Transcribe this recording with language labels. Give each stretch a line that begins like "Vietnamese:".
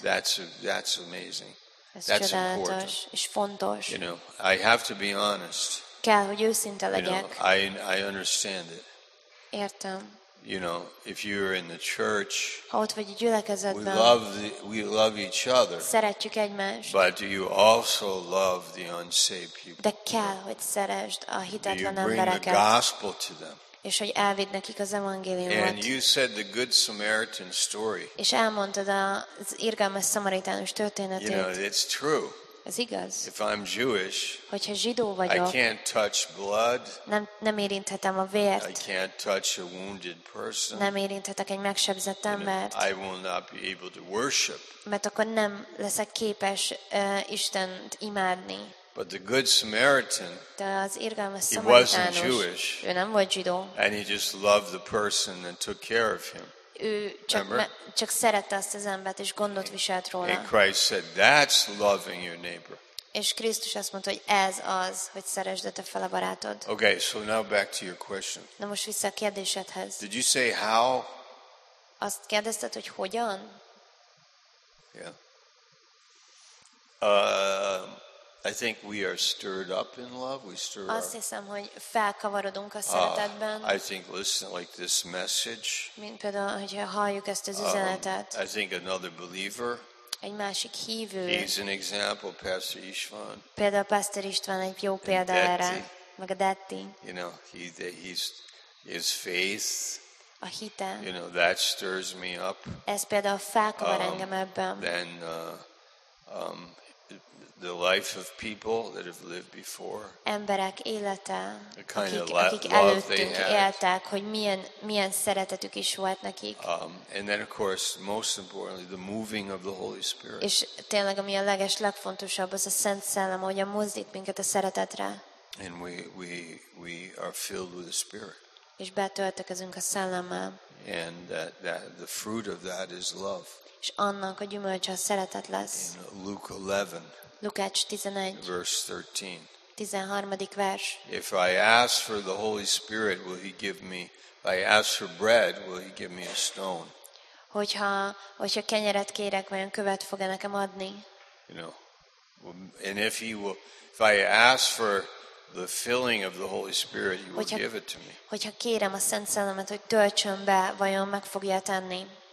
English: You know, that's amazing. That's important.
Hungarian: És fontos.
English: You know, I have to be honest.
Hungarian: Kell, hogy őszinte legyek.
English: You know, I understand it.
Hungarian: Értem.
English: You know, if you're in the church,
Hungarian: ha ott vagy a gyülekezetben,
English: we love each other.
Hungarian: Szeretjük egymást.
English: But do you also love the unsaved people?
Hungarian: De kell, hogy szeresd a hitetlen embereket.
English: Do you bring the gospel to them?
Hungarian: És hogy elvidd nekik az evangéliumot.
English: And you said the good Samaritan story.
Hungarian: És elmondtad az irgalmas szamaritánus történetét.
English: You know, it's true.
Hungarian: Ez igaz.
English: If I'm Jewish,
Hungarian: hogyha zsidó vagyok,
English: I can't touch blood.
Hungarian: Nem érinthetem a vért.
English: I can't touch a wounded person.
Hungarian: Nem érinthetek egy megsebzett embert.
English: I will not be able to worship.
Hungarian: Mert akkor nem leszek képes Istent imádni.
English: But the good Samaritan,
Hungarian: de az irgalmas
English: szamaritánus, he wasn't Jewish,
Hungarian: ő nem volt zsidó.
English: And he just loved the person and took care of him.
Hungarian: Ő csak szerette azt az embert, és gondot viselt róla.
English: And Christ said, that's loving your neighbor.
Hungarian: És Krisztus azt mondta, hogy ez az, hogy szeresd a te fel a barátod.
English: Okay, so now back to your question.
Hungarian: Na most vissza a kérdésedhez.
English: Did you say how?
Hungarian: Azt kérdezted, hogy hogyan?
English: Yeah. I think we are stirred up in love. We stir up.
Hungarian: Azt hiszem, hogy felkavarodunk a szeretetben.
English: I think listen like this message.
Hungarian: Mint például, hogy halljuk ezt az üzenetet.
English: I think another believer.
Hungarian: Egy másik hívő.
English: He's an example, Pastor István.
Hungarian: Például Pastor István egy jó példa erre. Meg a Detti.
English: You know, he's his faith.
Hungarian: A hite.
English: You know, that stirs me up.
Hungarian: Ez például felkavar engem ebben.
English: Then, the life of people that have lived before,
Hungarian: emberek élete,
English: the kind
Hungarian: akik előttünk éltek, hogy milyen szeretetük is volt nekik.
English: And then of course most importantly the moving of the Holy Spirit.
Hungarian: És tényleg ami a legfontosabb az a Szent Szellem, ahogy mozdít minket a szeretetre.
English: And we are filled with the Spirit.
Hungarian: És betöltekezünk a Szellemmel.
English: And that the fruit of that is love.
Hungarian: És annak a gyümölcse a szeretet lesz.
English: In Luke 11.
Hungarian: Lukács 11.
English: Verse 13.
Hungarian: 13. vers.
English: If I ask for the Holy Spirit, will he give me? If I ask for bread, will he give me a stone?
Hungarian: Hogyha kenyeret kérek, vajon követ fog-e nekem adni?
English: You know, and if he will, if I ask for the filling of the Holy Spirit, he will give it to me.
Hungarian: Hogyha kérem a Szent Szellemet, hogy töltsön be, vajon meg fogja tenni?